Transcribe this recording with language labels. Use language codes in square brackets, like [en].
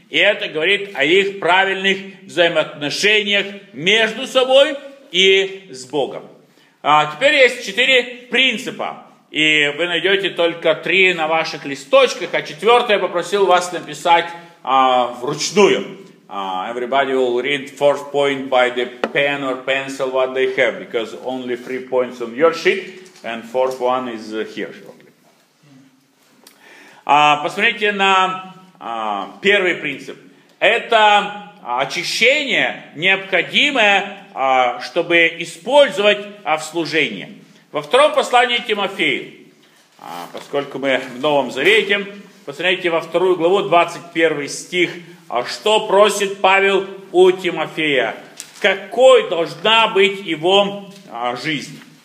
[ru] И это говорит о их правильных взаимоотношениях между собой и с Богом. Теперь есть четыре принципа. И вы найдете только три на ваших листочках, а четвертое попросил вас написать вручную. [en] Everybody will read fourth point by the pen or pencil what they have, because only three points on your sheet, and fourth one is here shortly. [ru] Посмотрите на первый принцип. Это очищение, необходимое, чтобы использовать в служении. Во втором послании Тимофею, поскольку мы в Новом Завете, посмотрите во вторую главу, 21 стих, что просит Павел у Тимофея, какой должна быть его жизнь.